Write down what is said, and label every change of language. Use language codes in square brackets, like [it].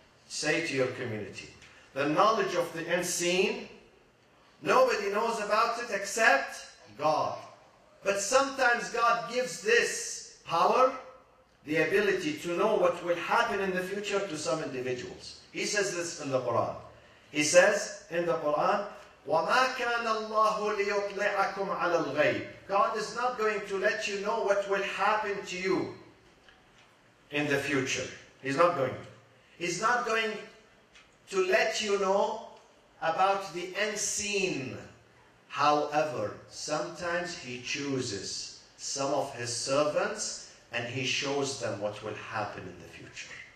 [en] Say to your community, the knowledge of the unseen, nobody knows about it except God. But sometimes God gives this power, the ability to know what will happen in the future to some individuals. He says this in the Quran. He says in the Quran, [ar] وَمَا كَانَ اللَّهُ لِيُطْلِعَكُمْ عَلَى الْغَيْبِ. [en] God is not going to let you know what will happen to you in the future. He's not going to. He's not going to let you know about the unseen. However, sometimes he chooses some of his servants and he shows them what will happen in the future.